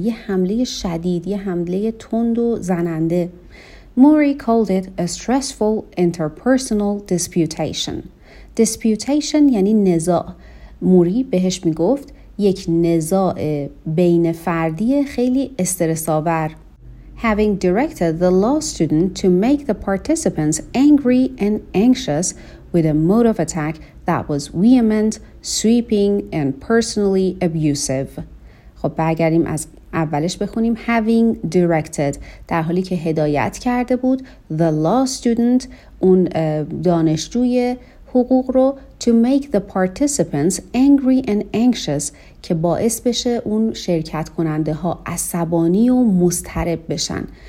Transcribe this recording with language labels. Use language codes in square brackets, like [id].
[fa] یه حمله شدید, یه حمله تند و زننده. [en] Murray called it a stressful interpersonal disputation. [fa] Disputation یعنی نزاع. موری بهش میگفت یک نزاع بین فردی خیلی استرس‌آور. [en] Having directed the law student to make the participants angry and anxious with a mode of attack that was vehement, sweeping, and personally abusive. [fa] خب برگردیم از اولش بخونیم. [en] Having directed, [fa] در حالی که هدایت کرده بود, [en] the law student, [fa] اون دانشجوی حقوق رو [en] to make the participants angry and anxious [fa] که باعث بشه اون شرکت کننده ها عصبانی و مضطرب بشن.